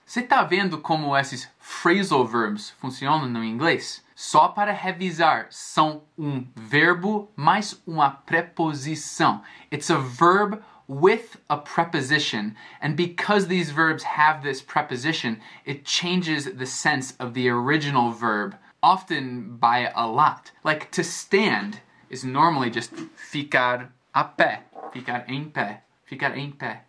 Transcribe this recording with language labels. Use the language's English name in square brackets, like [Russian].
[Portuguese] Você tá vendo como esses phrasal verbs funcionam no inglês? Só para revisar, são um verbo mais uma preposição. [English] It's a verb with a preposition, and because these verbs have this preposition, it changes the sense of the original verb, often by a lot. Like to stand is normally just [Portuguese] ficar a pé, ficar em pé, ficar em pé.